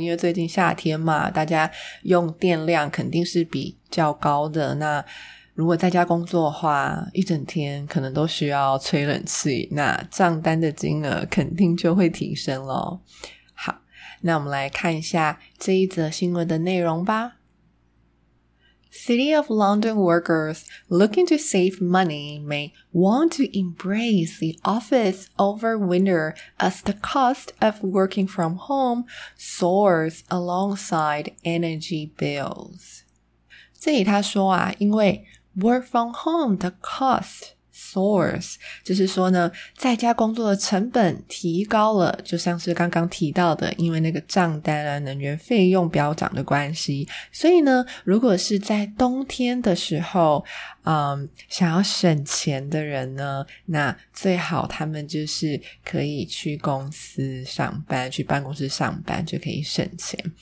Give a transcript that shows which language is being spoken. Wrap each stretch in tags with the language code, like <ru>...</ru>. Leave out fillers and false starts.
<zh>因为最近夏天嘛，大家用电量肯定是比较高的，那如果在家工作的话，一整天可能都需要吹冷气，那账单的金额肯定就会提升咯。好，那我们来看一下这一则新闻的内容吧。</zh> <en>City of London workers looking to save money may want to embrace the office over winter as the cost of working from home soars alongside energy bills.</en> <zh>这里他说啊，因为</zh> <en>Work from home, the cost soars,</en> <zh>就是说呢，在家工作的成本提高了，就像是刚刚提到的，因为那个账单啊，能源费用飙涨的关系。所以呢，如果是在冬天的时候，想要省钱的人呢，那最好他们就是可以去公司上班，去办公室上班就可以省钱。</zh>